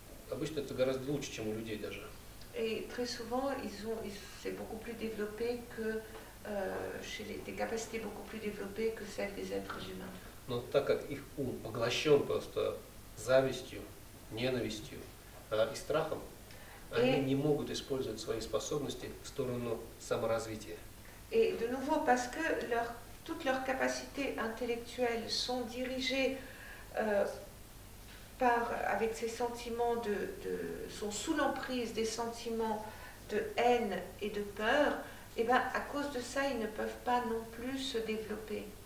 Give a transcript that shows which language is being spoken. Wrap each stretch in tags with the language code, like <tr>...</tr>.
<ru>Обычно это гораздо лучше, чем у людей даже.</ru> <fr>Et très souvent, c'est beaucoup plus développé que chez des capacités beaucoup plus développées que celles des êtres humains.</fr> <ru>Но так как их ум поглощен просто завистью, ненавистью и страхом, они не могут использовать свои способности в сторону саморазвития.</ru> <fr>Et de nouveau, parce que toutes leurs capacités intellectuelles sont dirigées avec ces sentiments sont sous l'emprise des sentiments de haine et de peur, et ben à cause de ça, ils ne peuvent pas non plus se développer.</fr>